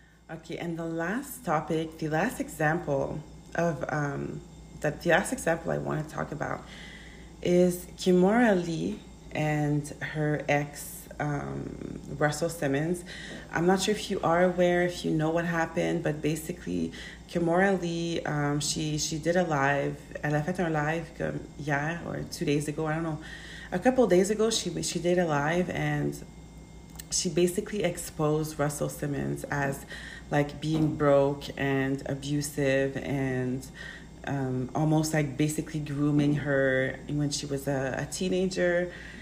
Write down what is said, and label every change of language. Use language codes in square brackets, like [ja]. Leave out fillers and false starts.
[en] Okay, and the last topic, the last example of the last example I want to talk about is Kimora Lee and her ex, Russell Simmons. I'm not sure if you are aware, if you know what happened, but basically, Kimora Lee, she did a live. [fr] Elle a fait un live hier [en] or 2 days ago. I don't know, a couple of days ago, she did a live, and she basically exposed Russell Simmons as like being broke and abusive and almost like basically grooming her when she was a teenager.